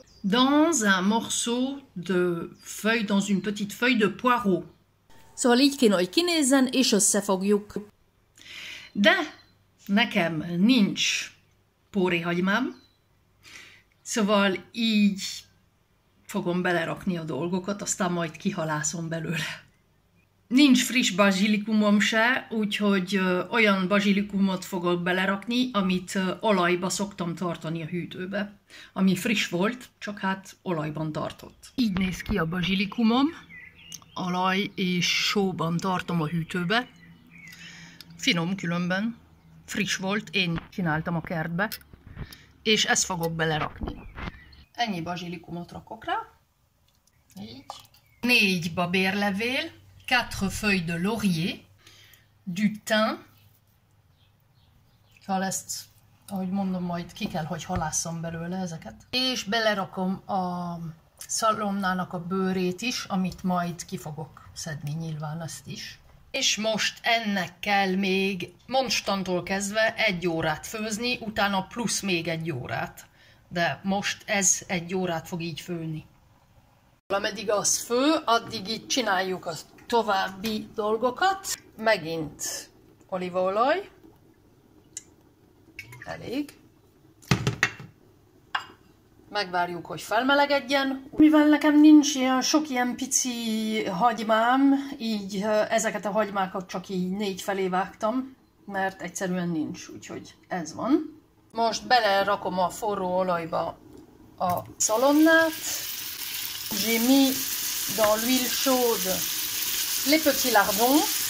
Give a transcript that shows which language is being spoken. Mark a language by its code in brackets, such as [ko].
[fr] Dans un morceau de feuille, dans une petite feuille de poireau. [hu] Szóval így kéne, hogy kinézzen, és összefogjuk. De nekem nincs póréhagymám, szóval így fogom belerakni a dolgokat, aztán majd kihalászom belőle. Nincs friss bazsilikumom se, úgyhogy olyan bazsilikumot fogok belerakni, amit olajba szoktam tartani a hűtőbe. Ami friss volt, csak hát olajban tartott. Így néz ki a bazsilikumom. Olaj és sóban tartom a hűtőbe. Finom különben. Friss volt, én csináltam a kertbe. És ezt fogok belerakni. Ennyi bazsilikumot rakok rá. Így. Négy babérlevél. [fr] 4 feuilles de laurier, du thym. [hu] Szóval ezt, ahogy mondom, majd ki kell, hogy halásszam belőle ezeket. És belerakom a szalonnának a bőrét is, amit majd ki fogok szedni nyilván ezt is. És most ennek kell még mostantól kezdve egy órát főzni, utána plusz még egy órát. De most ez egy órát fog így főni. Ameddig az fő, addig így csináljuk a további dolgokat. Megint olívaolaj. Elég. Megvárjuk, hogy felmelegedjen. Mivel nekem nincs ilyen sok ilyen pici hagymám, így ezeket a hagymákat csak így négy felé vágtam, mert egyszerűen nincs, úgyhogy ez van. Most belerakom a forró olajba a szalonnát. [fr] J'ai mis dans l'huile chaude les petits lardons.